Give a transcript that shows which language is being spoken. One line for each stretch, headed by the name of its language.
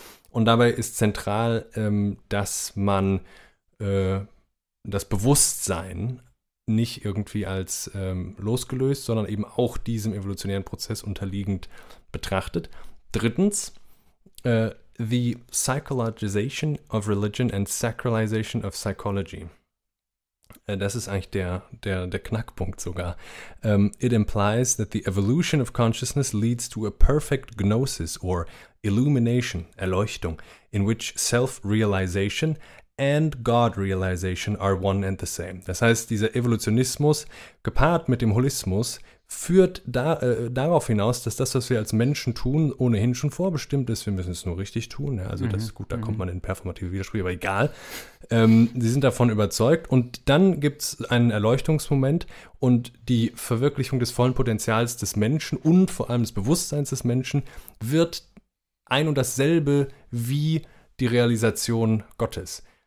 German: Und dabei ist zentral, dass man das Bewusstsein nicht irgendwie als losgelöst, sondern eben auch diesem evolutionären Prozess unterliegend betrachtet. Drittens,
English: the psychologization of religion and sacralization of psychology.
German: Das ist eigentlich der Knackpunkt sogar.
English: It implies that the evolution of consciousness leads to a perfect gnosis or illumination, Erleuchtung, in which self-realization and God-realization are one and the same.
German: Das heißt, dieser Evolutionismus gepaart mit dem Holismus führt darauf hinaus, dass das, was wir als Menschen tun, ohnehin schon vorbestimmt ist. Wir müssen es nur richtig tun. Ja, also das ist gut, da kommt man in performative Widersprüche, aber egal. Sie sind davon überzeugt. Und dann gibt es einen Erleuchtungsmoment und die Verwirklichung des vollen Potenzials des Menschen und vor allem des Bewusstseins des Menschen wird ein und dasselbe wie die Realisation Gottes.